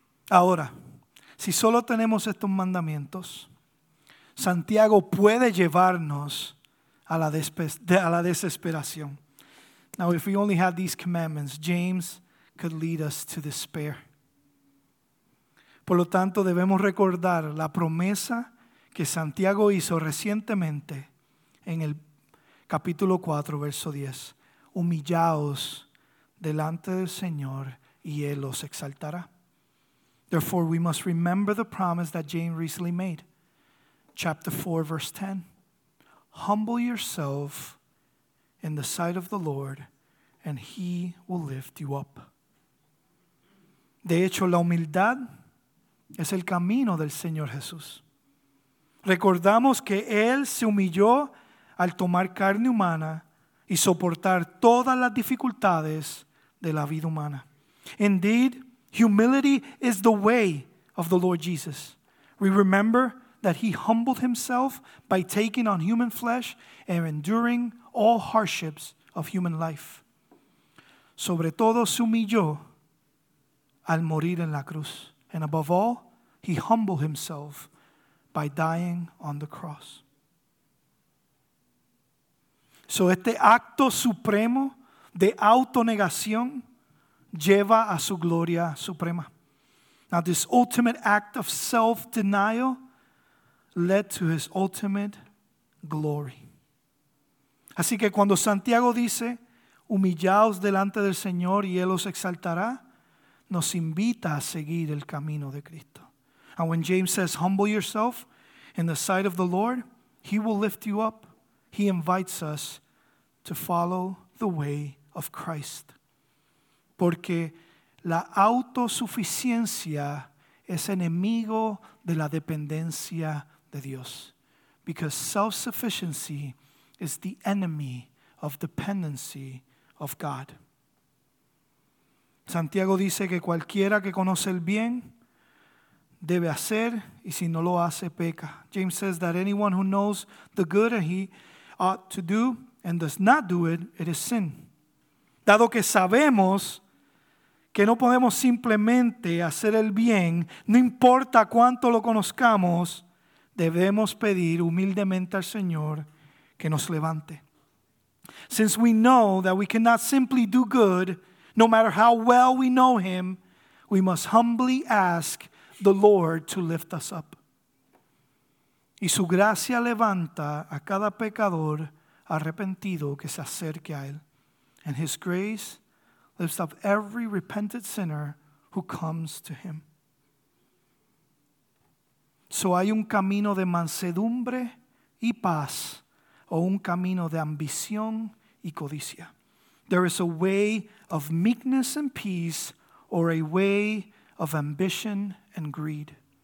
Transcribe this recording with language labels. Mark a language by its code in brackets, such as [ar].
[es] Ahora, si solo tenemos estos mandamientos, Santiago puede llevarnos a la desesperación. [en] Now, if we only had these commandments, James could lead us to despair. [es] Por lo tanto, debemos recordar la promesa que Santiago hizo recientemente en el capítulo 4, verso 10. Humillaos delante del Señor y Él os exaltará. [en] Therefore, we must remember the promise that James recently made. Chapter 4, verse 10. Humble yourself in the sight of the Lord, and He will lift you up. [es] De hecho, la humildad es el camino del Señor Jesús. Recordamos que Él se humilló al tomar carne humana y soportar todas las dificultades de la vida humana. [en] Indeed, humility is the way of the Lord Jesus. We remember that He humbled Himself by taking on human flesh and enduring all hardships of human life. [es] Sobre todo se humilló al morir en la cruz. [en] And above all, He humbled Himself by dying on the cross. [es] So este acto supremo de autonegación lleva a su gloria suprema. [en] Now this ultimate act of self-denial led to His ultimate glory. [es] Así que cuando Santiago dice, humillaos delante del Señor y Él os exaltará, nos invita a seguir el camino de Cristo. [en] And when James says, humble yourself in the sight of the Lord, he will lift you up. He invites us to follow the way of Christ. [es] Porque la autosuficiencia es enemigo de la dependencia de Dios. [en] Because self-sufficiency is the enemy of dependency of God. [es] Santiago dice que cualquiera que conoce el bien debe hacer, y si no lo hace, peca. [en] James says that anyone who knows the good that he ought to do and does not do it, it is sin. [es] Dado que sabemos que no podemos simplemente hacer el bien, no importa cuánto lo conozcamos, debemos pedir humildemente al Señor que nos levante. [en] Since we know that we cannot simply do good, no matter how well we know him, we must humbly ask the Lord to lift us up. [es] Y su gracia levanta a cada pecador arrepentido que se acerque a él. [en] And his grace lifts up every repentant sinner who comes to him. [es] So hay un camino de mansedumbre y paz, o un camino de ambición y codicia. [en] There is a way of meekness and peace, or a way of ambition and greed.